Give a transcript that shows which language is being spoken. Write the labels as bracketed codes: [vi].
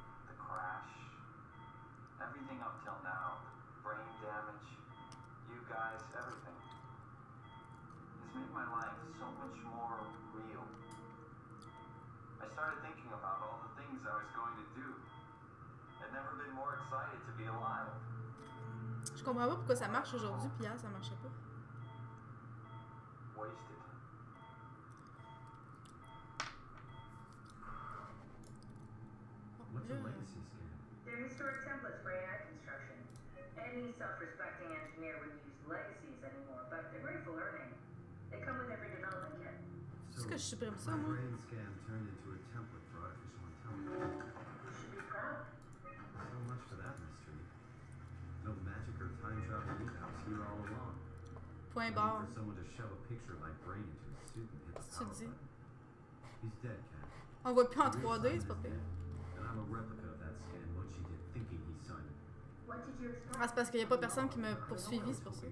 [en] The crash. Everything up till now. Brain damage. You guys, everything. It's made my life so much more real. I started thinking about all the things I was going to do. I'd never been more excited to be alive. [fr] Je comprends pas pourquoi ça marche aujourd'hui, puis hier ça marchait pas. [en] Wasted. What's your legacy scan? They're historic templates for AI construction. Any self-respecting engineer wouldn't use legacies anymore, but they're great for learning. They come with every development kit. [fr] So, que je suis prêt, [en] my [fr] moi. [en] Brain scan turned into a template for artificial intelligence. You should be proud. So much for that mystery. No magic or time travel meetups here all along. [fr] Point barre. [en] For someone to shove a picture of my brain into a suit and hit the power button. He's dead, Kat. [fr] On voit plus en 3D, c'est pas pire. [en] And I'm a replica of that scan. What she did thinking he signed it. What did you expect? [fr] Ah, c'est parce qu'il y a pas personne qui me poursuivi, c'est pour ça.